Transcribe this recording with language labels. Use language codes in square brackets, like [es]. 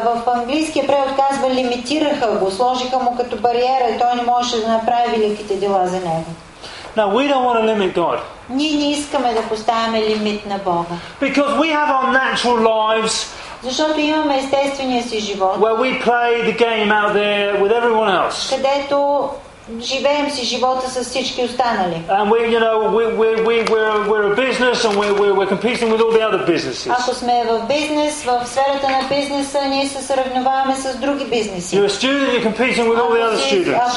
[bg] В английския превод казва лимитираха го, сложиха му като бариера и той не можеше да направи великите дела за него. [en] Now we don't want to limit God. [bg] Ние не искаме да поставяме лимит на Бога. [en] Because we have our natural lives. [bg] Защото имаме естествения си живот. [en] Where we play the game out there with everyone else. [bg] Където живеем си живота с всички останали. [en] And we, you know, we're a business, and we're competing with all the other businesses. [bg] Ако сме в бизнес, в сферата на бизнеса, ние се сравняваме с други бизнеси. [en] You're a student, you're competing with all the other students.